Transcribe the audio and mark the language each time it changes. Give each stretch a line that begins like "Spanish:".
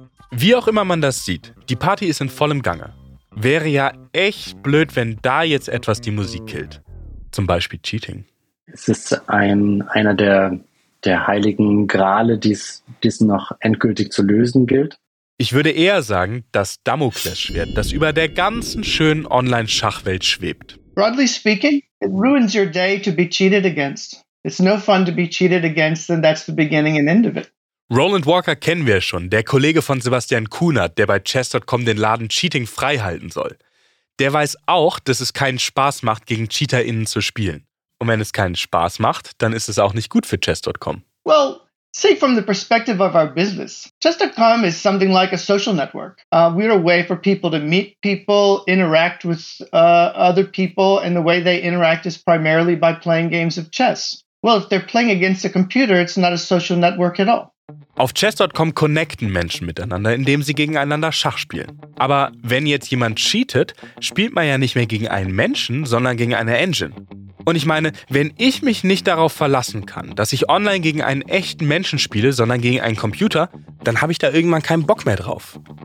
German: Wie auch immer man das sieht, die Party ist in vollem Gange. Wäre ja echt blöd, wenn da jetzt etwas die Musik killt. Zum Beispiel Cheating. Es ist einer der heiligen Grale, die es noch endgültig zu lösen gilt. Ich würde eher sagen, das Damoklesschwert, das über der ganzen schönen Online-Schachwelt schwebt.
English: Broadly speaking, it ruins your day to be cheated against. It's no fun to be cheated against, and that's the beginning and end of it.
German: Roland Walker kennen wir schon, der Kollege von Sebastian Kuhnert, der bei Chess.com den Laden Cheating frei halten soll. Der weiß auch, dass es keinen Spaß macht, gegen CheaterInnen zu spielen. Und wenn es keinen Spaß macht, dann ist es auch nicht gut für Chess.com.
English: Well, say from the perspective of our business. Chess.com is something like a social network. We're a way for people to meet people, interact with other people, and the way they interact is primarily by playing games of chess. Well, if they're playing against a computer, it's not a social network at all.
German: Auf Chess.com connecten Menschen miteinander, indem sie gegeneinander Schach spielen. Aber wenn jetzt jemand cheatet, spielt man ja nicht mehr gegen einen Menschen, sondern gegen eine Engine. Und ich meine, wenn ich mich nicht darauf verlassen kann, dass ich online gegen einen echten Menschen spiele, sondern gegen einen Computer, dann habe ich da irgendwann keinen Bock mehr drauf.